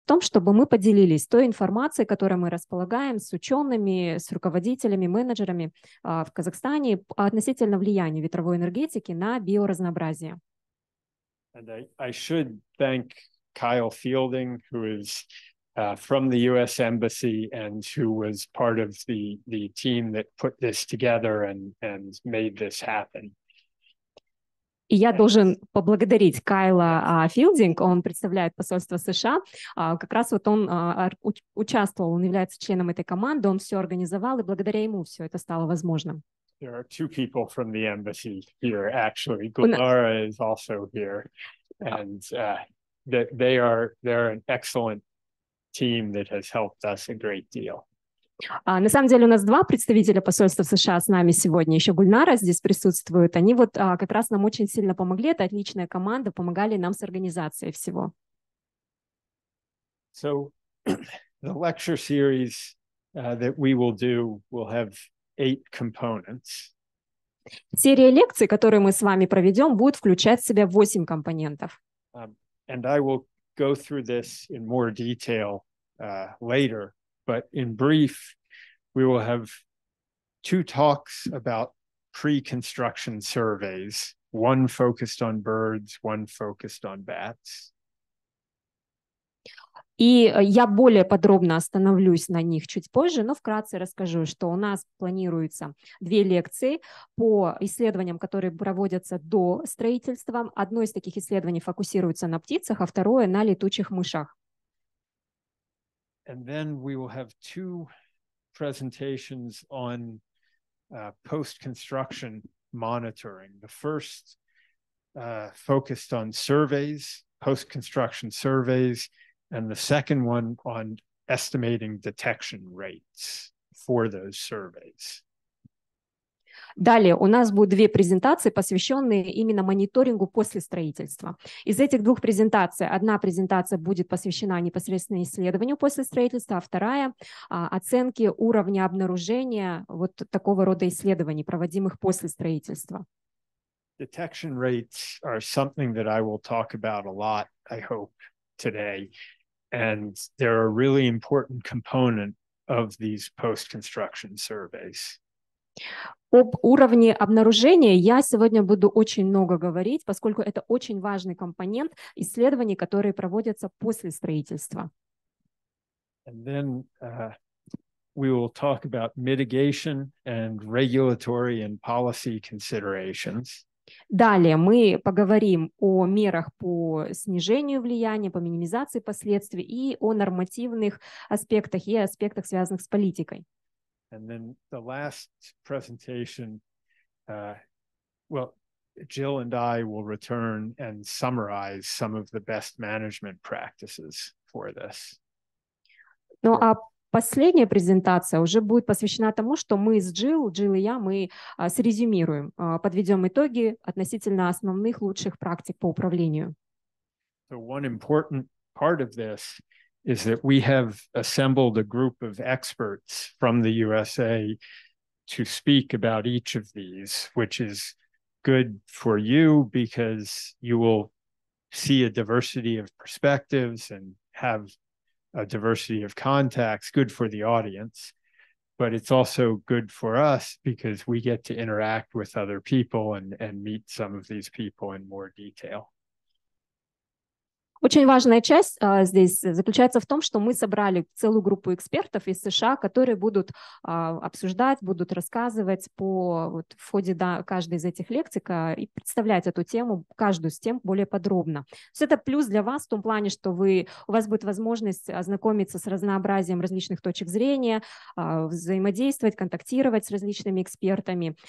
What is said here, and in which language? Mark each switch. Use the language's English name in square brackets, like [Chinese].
[Russian] в том, чтобы мы поделились той информацией, которую мы располагаем с учеными, с руководителями, менеджерами в Казахстане относительно влияния ветровой энергетики на биоразнообразие. [English] And I should thank Kyle Fielding, who is from the US Embassy and who was part of the team that put this together and made this happen. [Russian] И я должен поблагодарить Кайла Филдинг, он представляет посольство США, как раз вот он участвовал, он является членом этой команды, он все организовал, и благодаря ему все это стало возможным. [English] There are two people from the embassy here, actually. Гулнара is also here, and they're an excellent team that has helped us a great deal. [Russian] На самом деле у нас два представителя посольства США с нами сегодня, еще Гульнара здесь присутствует. Они вот как раз нам очень сильно помогли, это отличная команда, помогали нам с организацией всего. [English] So the lecture series that we will do will have 8 components. [Russian] Серия лекций, которую мы с вами проведем, будет включать в себя 8 компонентов. [English] And I will go through this in more detail later. But in brief, we will have 2 talks about pre-construction surveys, one focused on birds, one focused on bats. [Russian] И я более подробно остановлюсь на них чуть позже, но вкратце расскажу, что у нас планируются 2 лекции по исследованиям, которые проводятся до строительства. Одно из таких исследований фокусируется на птицах, а второе на летучих мышах. [English] And then we will have 2 presentations on post-construction monitoring. The first focused on surveys, post-construction surveys, and the second one on estimating detection rates for those surveys. [Russian] Далее у нас будут 2 презентации, посвященные именно мониторингу после строительства. Из этих 2 презентаций, одна презентация будет посвящена непосредственно исследованию после строительства, а вторая – оценке уровня обнаружения вот такого рода исследований, проводимых после строительства. [English] Detection rates are something that I will talk about a lot, I hope, today. And they're a really important component of these post-construction surveys. [Russian] Об уровне обнаружения я сегодня буду очень много говорить, поскольку это очень важный компонент исследований, которые проводятся после строительства. [English] And then we will talk about mitigation and regulatory and policy considerations. [Russian] Далее мы поговорим о мерах по снижению влияния, по минимизации последствий и о нормативных аспектах и аспектах, связанных с политикой. [English] And then the last presentation, well, Jill and I will return and summarize some of the best management practices for this. [Russian] Ну, а последняя презентация уже будет посвящена тому, что мы с Джилл и я, мы срезюмируем, подведем итоги относительно основных лучших практик по управлению. [English] So one important part of this is that we have assembled a group of experts from the USA to speak about each of these, which is good for you because you will see a diversity of perspectives and have a diversity of contacts, good for the audience, but it's also good for us because we get to interact with other people and meet some of these people in more detail. [Russian] Очень важная часть здесь заключается в том, что мы собрали целую группу экспертов из США, которые будут обсуждать, будут рассказывать по вот, в ходе каждой из этих лекций и представлять эту тему, каждую из тем более подробно. То есть это плюс для вас в том плане, что у вас будет возможность ознакомиться с разнообразием различных точек зрения, взаимодействовать, контактировать с различными экспертами.